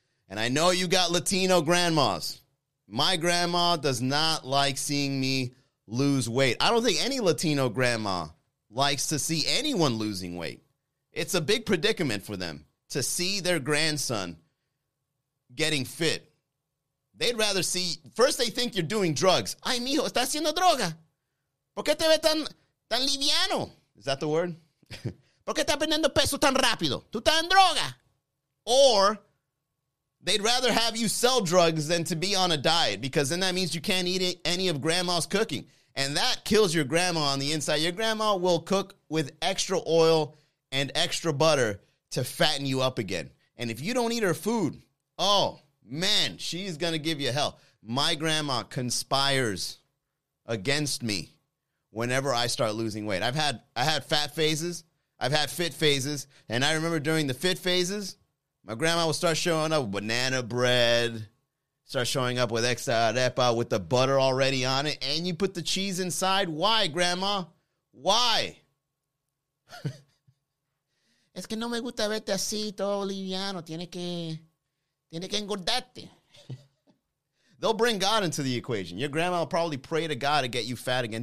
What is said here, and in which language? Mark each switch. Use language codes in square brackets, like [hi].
[en] And I know you got Latino grandmas. My grandma does not like seeing me lose weight. I don't think any Latino grandma likes to see anyone losing weight. It's a big predicament for them to see their grandson getting fit. They'd rather see, first they think you're doing drugs. [es] Ay, mijo, está haciendo droga. ¿Por qué te ve tan liviano? [en] Is that the word? [es] ¿Por qué está perdiendo peso tan rápido? Tú estás en droga. [en] Or they'd rather have you sell drugs than to be on a diet, because then that means you can't eat any of grandma's cooking. And that kills your grandma on the inside. Your grandma will cook with extra oil and extra butter to fatten you up again. And if you don't eat her food, oh, man, she's going to give you hell. My grandma conspires against me whenever I start losing weight. I had fat phases. I've had fit phases. And I remember during the fit phases, my grandma would start showing up with banana bread, start showing up with extra arepa with the butter already on it, and you put the cheese inside. Why, grandma? Why? [es] Es que no me gusta verte así, todo liviano. Tiene que engordarte. [en] They'll bring God into the equation. Your grandma will probably pray to God to get you fat again.